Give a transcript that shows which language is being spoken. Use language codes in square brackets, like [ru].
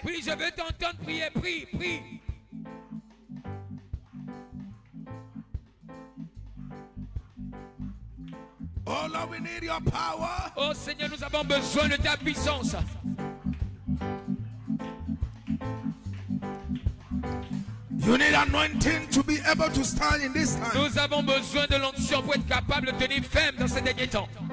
[fr] Prie, je veux t'entendre prier. Prie, prie. [en] Oh Lord, we need your power. [fr] Oh Seigneur, nous avons besoin de ta puissance. [en] You need anointing to be able to stand in this time. [fr] Nous avons besoin de l'onction pour être capable de tenir ferme dans ces derniers temps.